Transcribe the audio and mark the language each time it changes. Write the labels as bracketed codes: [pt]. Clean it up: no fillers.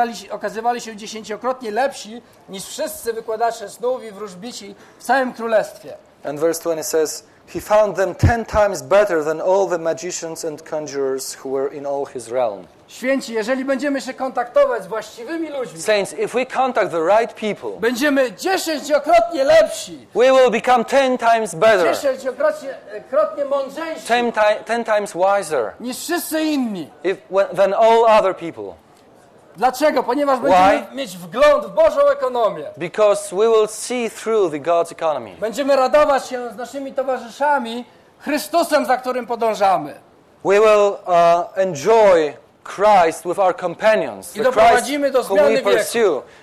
[pl] Okazywali się dziesięciokrotnie lepsi niż wszyscy wykładacze snów i wróżbici w całym królestwie. [en] And verse 20 says, he found them 10 times better than all the magicians and conjurers who were in all his realm. [pl] Święci, jeżeli będziemy się kontaktować z właściwymi ludźmi, [en] saints, if we contact the right people, [pl] będziemy dziesięciokrotnie lepsi. [en] We will become 10 times better. [pl] Dziesięciokrotnie mądrzejsi. [en] 10 times wiser. [pl] Niż wszyscy inni. [en] Than all other people. [pl] Dlaczego? Ponieważ będziemy mieć wgląd w Bożą ekonomię. [en] Because we will see through the God's economy. [pl] Będziemy radować się z naszymi towarzyszami Chrystusem, za którym podążamy. [en] We will enjoy Christ with our companions. [pl] I doprowadzimy do zmiany wieku.